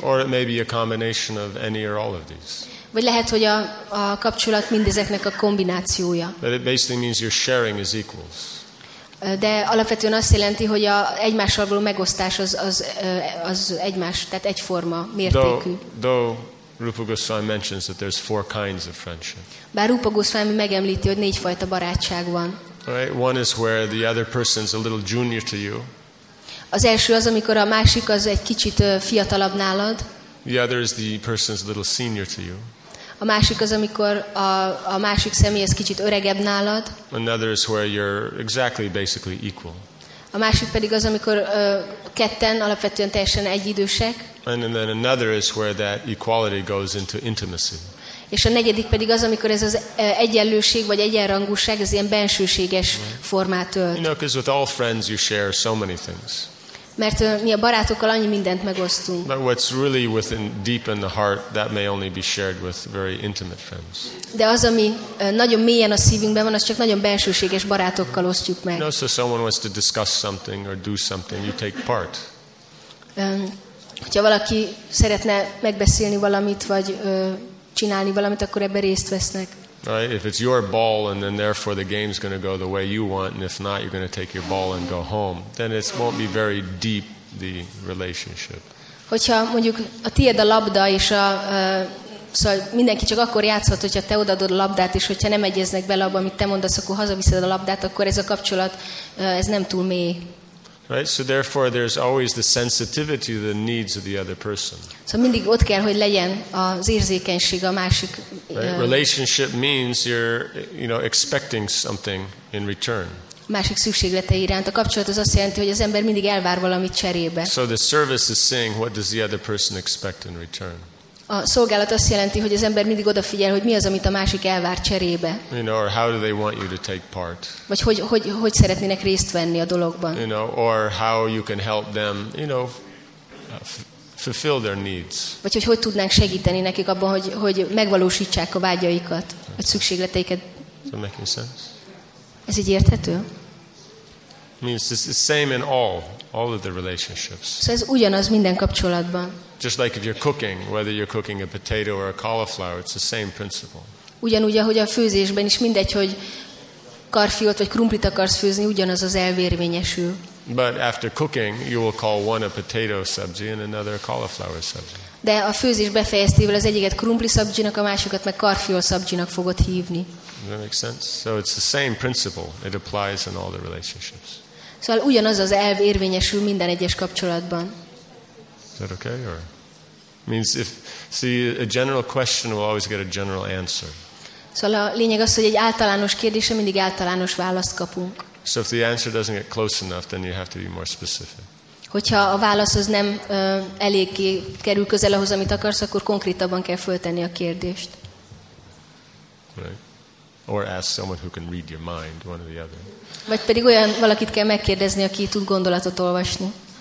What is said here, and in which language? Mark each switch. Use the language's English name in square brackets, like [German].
[English] Or it may be a combination of any or all of these. [Hungarian] Vagy lehet, hogy a kapcsolat mindezeknek a kombinációja. [English] But it basically means your sharing is equals. [Hungarian] De alapvetően azt jelenti, hogy a egymással való megosztás az egymás, tehát egyforma mértékű. [English] Though Rupa Goswami mentions that there's four kinds of friendship. [Hungarian] Bár Rupa Goswami megemlíti, hogy négy fajta barátság van. [English] Right, one is where the other person is a little junior to you. [Hungarian] Az első az, amikor a másik az egy kicsit fiatalabb nálad. [English] The other is the person's little senior to you. [Hungarian] A másik az, amikor a másik személy az kicsit öregebb nálad. [English] Another is where you're exactly basically equal. [Hungarian] A másik pedig az, amikor ketten alapvetően teljesen egyidősek. [English] And then another is where that equality goes into intimacy. [Hungarian] És a negyedik pedig az, amikor ez az egyenlőség vagy egyenrangúság, ez ilyen bensőséges formát ölt. [English] You know, 'cause with all friends you share so many things. [Hungarian] Mert mi a barátokkal annyi mindent megosztunk. [English] But what's really within, deep in the heart, that may only be shared with very intimate friends. [Hungarian] De az, ami nagyon mélyen a szívünkben van, az csak nagyon bensőséges barátokkal osztjuk meg. [English] You know, so someone wants to discuss something or do something, you take part. [Hungarian] Hogyha valaki szeretne megbeszélni valamit, vagy csinálni valamit, akkor ebben részt vesznek. [English] Right? If it's your ball and then therefore the game's going to go the way you want and if not you're going to take your ball and go home, then it won't be very deep the relationship. [Hungarian] Hogyha mondjuk a tiéd a labda és a szóval mindenki csak akkor játszhat, hogyha te odaadod a labdát és hogyha nem egyeznek bele abba, amit te mondasz, akkor hazaviszed a labdát, akkor ez a kapcsolat ez nem túl mély. [English] Right, so therefore there's always the sensitivity to the needs of the other person. [Hungarian] Szóval mindig ott kell, hogy legyen az érzékenység a másik. [English] Right? Relationship means you're, you know, expecting something in return. [Hungarian] Másik szükségletei iránt. A kapcsolat az azt jelenti, hogy az ember mindig elvár valamit cserébe. [English] So the service is saying, what does the other person expect in return? [Hungarian] A szolgálat azt jelenti, hogy az ember mindig odafigyel, hogy mi az, amit a másik elvár cserébe. [English] You know, or how do they want you to take part? [Hungarian] Vagy hogy szeretnének részt venni a dologban? [English] You know, or how you can help them, you know, fulfill their needs. [Hungarian] Vagy hogy tudnánk segíteni nekik abban, hogy megvalósítsák a vágyaikat, a szükségleteiket. [English] Does that make any sense? [Hungarian] Ez így érthető? [English] I mean, it's the same in all of the relationships. [Hungarian] Szóval ez ugyanaz minden kapcsolatban. [English] Just like if you're cooking, whether you're cooking a potato or a cauliflower, it's the same principle. [Hungarian] Ugyanúgy, ahogy a főzésben is mindegy, hogy karfiolt vagy krumplit akarsz főzni, ugyanaz az elvérvényesül. [English] But after cooking, you will call one a potato sabzi and another a cauliflower sabzi. [Hungarian] De a főzés befejeztével az egyiket krumpli sabzsinak, a másikat meg karfiol sabzsinak fogod hívni. [English] Does that make sense? So it's the same principle. It applies in all the relationships. [Hungarian] Szóval ugyanaz az elv érvényesül minden egyes kapcsolatban. [English] Is that okay? Or means if see a general question will always get a general answer. [Hungarian] Szóval a lényeg az, hogy egy általános kérdésre mindig általános választ kapunk. [English] So if the answer doesn't get close enough, then you have to be more specific. [Hungarian] Hogyha a válasz az nem eléggé kerül közel ahhoz, amit akarsz, akkor konkrétabban kell föltenni a kérdést. [English] Right. Or ask someone who can read your mind, one or the other. [Hungarian] Vagy pedig olyan valakit kell megkérdezni, aki tud gondolatot olvasni.